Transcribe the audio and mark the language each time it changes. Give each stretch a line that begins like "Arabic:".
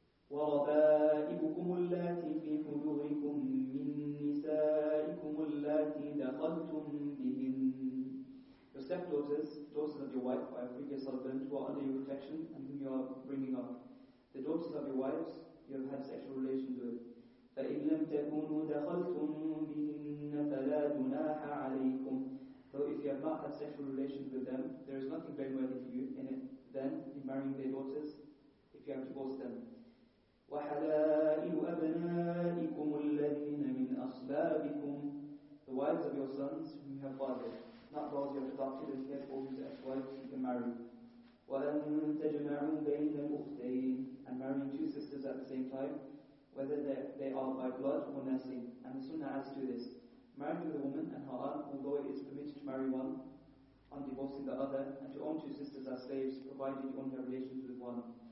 Arabic: وربائكم اللاتي في حجوركم من نسائكم اللاتي دخلتم بهن.
English: Your stepdaughters, daughters of your wife by a previous husband who are under your protection and whom you are bringing up. The daughters of your wives, you have had sexual relations with.
Arabic: فإن لم تكونوا دخلتم بهن فلا جناح عليكم.
English: So if you have not had sexual relations with them, there is nothing blameworthy for you in it then in marrying their daughters if you have divorced them.
Arabic: وحلائل أبنائكم الذين من أصلابكم.
English: The wives of your sons whom you have fathered, not those you have adopted, and therefore whose ex-wives you can marry.
Arabic: وأن تجمعوا بين الأختين.
English: And marrying two sisters at the same time, whether they are by blood or nursing. And the sunnah adds to this. Marrying with a woman and her aunt, although it is permitted to marry one on divorcing the other, and to own two sisters as slaves, provided you only have relations with one.